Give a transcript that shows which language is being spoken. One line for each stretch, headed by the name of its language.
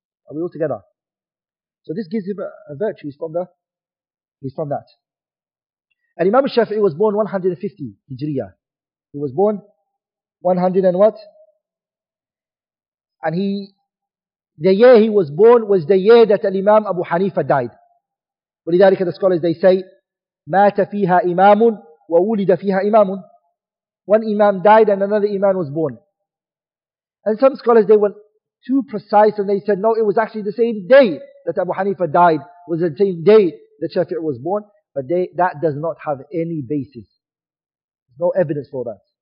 English: Are we all together? So this gives him a virtue. He's from that. And Imam Shafi'i was born 150 Hijriah. He was born 100 and what? And the year he was born was the year that Imam Abu Hanifa died.
Arabic: ولذلك
English: the scholars they say,
Arabic: مات فيها إمام وولد فيها إمام.
English: One Imam died and another Imam was born. And some scholars, they went too precise and they said, no, it was actually the same day that Abu Hanifa died. It was the same day that Shafi'i was born. But that does not have any basis. There's no evidence for that.